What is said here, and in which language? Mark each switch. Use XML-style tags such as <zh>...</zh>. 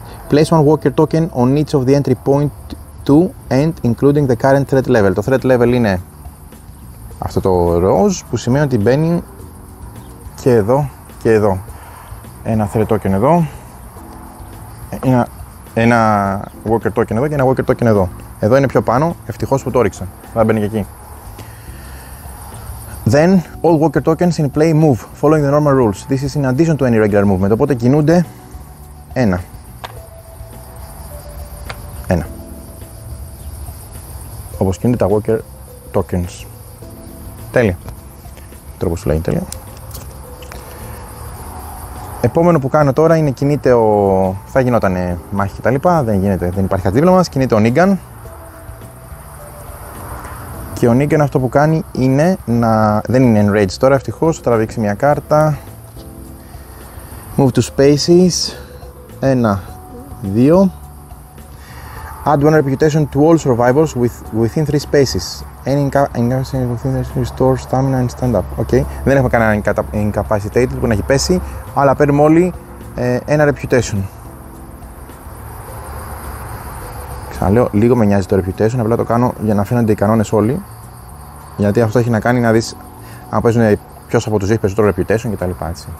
<en>Place one Walker token on each of the entry point to and including the current threat level.</en> <el>Το threat level είναι αυτό το rose που σημαίνει ότι μπαίνει και εδώ και εδώ. Ένα threat token εδώ. Ένα walker token εδώ και ένα walker token εδώ. Εδώ είναι πιο πάνω, ευτυχώς που το έριξα. Θα μπαίνει και εκεί.</el> <en>Then, all walker tokens in play move, following the normal rules. This is in addition to any regular movement.</en> <el>Οπότε κινούνται ένα. Όπως κινούνται τα walker tokens. Τέλεια. Τρόπος σου λέει, τέλεια. Επόμενο που κάνω τώρα είναι κινείται ο... θα γινόταν μάχη και τα λοιπά, δεν γίνεται, δεν υπάρχει δίπλα μας, κινείται ο Negan. Και ο Negan αυτό που κάνει είναι να... δεν είναι enraged τώρα ευτυχώς, θα τραβήξει μια κάρτα.</el> <en>Move to spaces. 1, 2. Add one reputation to all survivors within 3 spaces. Any incapacitated within the restore stamina and stand up. Okay.</en> <el>Δεν έχουμε κανέναν incapacitated που να έχει πέσει, αλλά παίρνουμε όλοι ένα reputation. Ξαναλέω, λίγο με νοιάζει το reputation, απλά το κάνω για να φαίνονται οι κανόνες όλοι. Γιατί αυτό έχει να κάνει να δεις αν παίζουν ποιος από τους δύο περισσότερο reputation κτλ. Έτσι.</el>